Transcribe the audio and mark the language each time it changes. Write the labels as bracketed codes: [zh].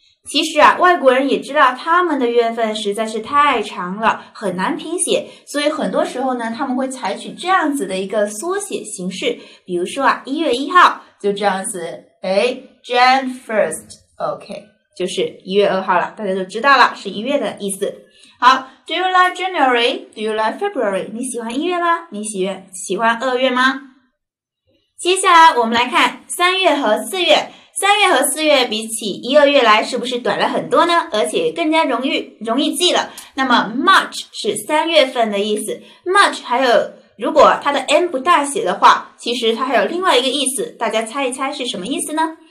[zh] 其实啊，外国人也知道他们的月份实在是太长了，很难拼写，所以很多时候呢，他们会采取这样子的一个缩写形式，比如说啊，一月一号就这样子，哎， [en] Jan first， [zh] OK，、okay, 就是一月二号了，大家都知道了，是一月的意思。 [en] 好，Do you like January？Do you like February？ [zh] 你喜欢一月吗？你喜欢二月吗？接下来我们来看三月和四月。三月和四月比起一二月来，是不是短了很多呢？而且更加容易记了。那么 March 是三月份的意思。 March 还有，如果它的 M 不大写的话，其实它还有另外一个意思，大家猜一猜是什么意思呢？